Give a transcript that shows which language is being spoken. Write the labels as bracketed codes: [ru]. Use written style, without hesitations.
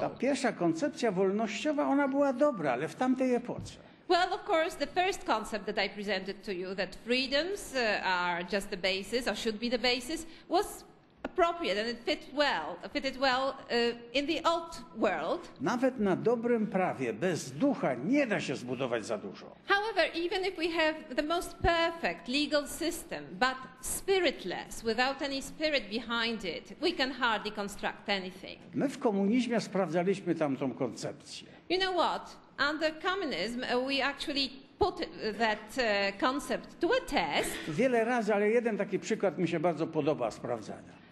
[pl] Ta pierwsza koncepcja wolnościowa, ona była dobra, ale w tamtej epoce. [en] Well, of course, the first concept that I presented to you, that freedoms are just the basis or should be the basis, was appropriate and it fitted well in the old world. [pl] Nawet na dobrym prawie bez ducha nie da się zbudować za dużo. [en] However, even if we have the most perfect legal system, but spiritless, without any spirit behind it, we can hardly construct anything. [pl] My w komunizmie sprawdzaliśmy tamtą koncepcję. [en] You know what? Under communism, we actually put that concept to a test. [pl] Wiele razy, ale jeden taki przykład mi się bardzo podoba sprawdzania.